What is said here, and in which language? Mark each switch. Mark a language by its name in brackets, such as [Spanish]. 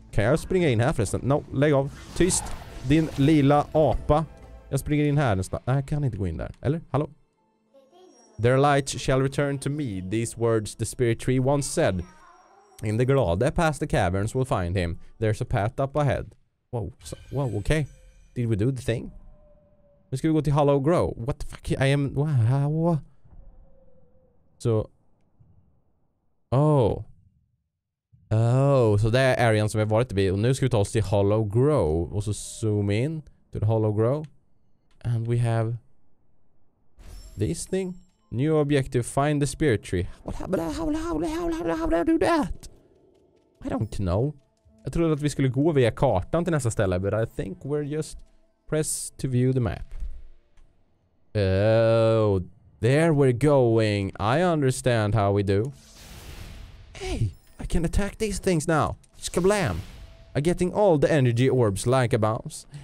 [Swedish] Kan jag springa in här förresten? No, lägg av. Tyst. Din lila apa. Jag springer in här nästan. Nej, jag kan inte gå in där. Eller? Hallå? [English] Their light shall return to me. These words the spirit tree once said. In the glade past the caverns we'll find him. There's a path up ahead. Whoa, okay. Did we do the thing? [Swedish] Nu ska vi gå till Hollow Grove. [English] What the fuck? I am... Wow. So... Oh. [Swedish] Oh, så det är arean som vi har varit vid. Och nu ska vi ta oss till Hollow Grove. Och så [English] zoom in to the Hollow Grove. And we have this thing. New objective, find the spirit tree. What happened? How do I do that? I don't know. [Swedish] Jag trodde att vi skulle gå via kartan till nästa ställe. [English] But I think we're just press to view the map. Oh, there we're going. I understand how we do. Hey, I can attack these things now. Skablam. I'm getting all the energy orbs like a boss.